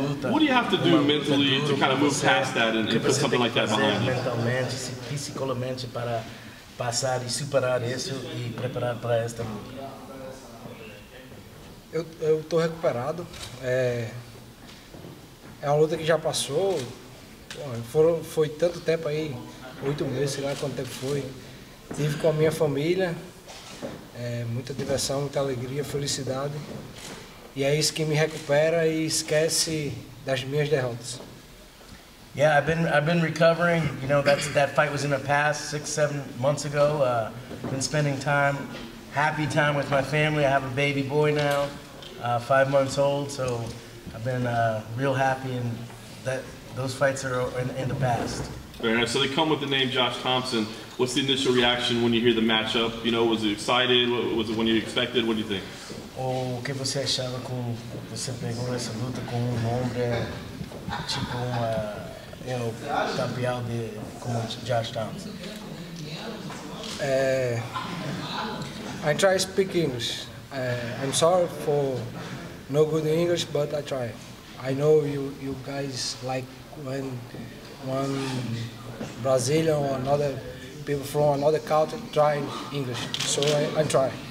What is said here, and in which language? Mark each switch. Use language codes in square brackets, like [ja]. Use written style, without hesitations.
[en] What do you have to do mentally to kind of move past that and put something like that behind you? [pt] Mentalmente, psicologicamente, para passar e superar isso e preparar para esta luta. Eu tô recuperado. É uma luta que já passou. Foi tanto tempo aí, 8 meses, sei lá quanto tempo foi. Tive com a minha família, muita diversão, muita alegria, felicidade. E é isso que me recupera e esquece das minhas derrotas. [en] Yeah, I've been recovering. You know, that fight was in the past 6-7 months ago. Been spending time, happy time with my family. I have a baby boy now, 5 months old. So I've been real happy, and those fights are in the past. Very nice. So they come with the name Josh Thomson. What's the initial reaction when you hear the matchup? You know, was it excited? Was it when you expected? What do you think? [pt] O que você achava com você pegou essa luta com nome tipo campeão de como Josh Thomson? [en] I try speak English. I'm sorry for no good English, but I try. I know you guys like when one Brazilian or another people from another country try English, so I try.